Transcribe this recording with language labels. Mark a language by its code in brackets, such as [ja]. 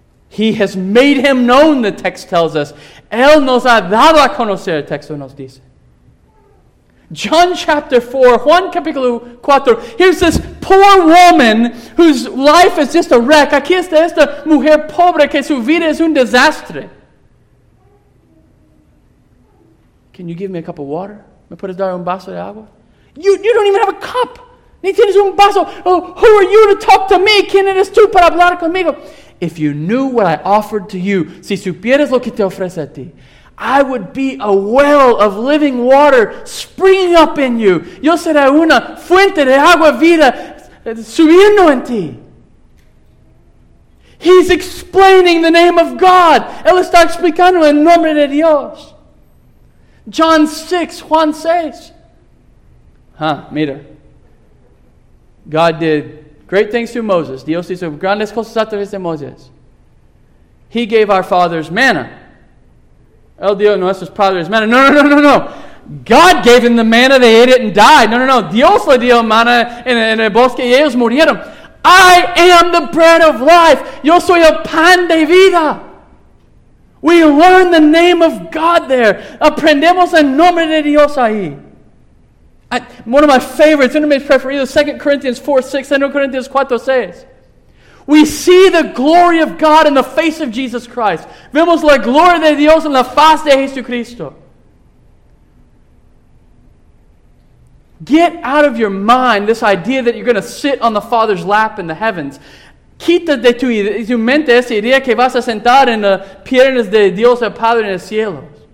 [en] He has made him known, the text tells us. [es] Él nos ha dado a conocer, el texto nos dice. [en] John chapter 4, Juan capítulo 4. Here's this poor woman whose life is just a wreck. [es] Aquí está esta mujer pobre que su vida es un desastre. [en] Can you give me a cup of water? [es] ¿Me puedes dar un vaso de agua? [en] You don't even have a cup. [es] Ni tienes un vaso. [en] Oh, who are you to talk to me? [es] ¿Quién eres tú para hablar conmigo? [en] If you knew what I offered to you, [es] si supieras lo que te ofrece a ti, [en] I would be a well of living water springing up in you. [es] Yo seré una fuente de agua vida subiendo en ti. [en] He's explaining the name of God. [es] Él está explicando el nombre de Dios. [en] John 6, Juan 6. Mira. God did great things through Moses. [es] Dios hizo grandes cosas a través de Moses. [en] He gave our fathers manna. [es] El dio a nuestros padres manna. No. [en] God gave him the manna, they ate it and died. No. [es] Dios le dio manna en el bosque y ellos murieron. [en] I am the bread of life. [es] Yo soy el pan de vida. [en] We learn the name of God there. [es] Aprendemos el nombre de Dios ahí. [en] One of my favorites, one of my preferidos, 2 Corinthians 4, 6, 2 Corinthians 4, 6. We see the glory of God in the face of Jesus Christ. [es] Vemos la gloria de Dios en la faz de Jesucristo. [en] Get out of your mind this idea that you're going to sit on the Father's lap in the heavens. [es] Quita de tu mente esa idea que vas a sentar en las piernas de Dios el Padre en el cielo.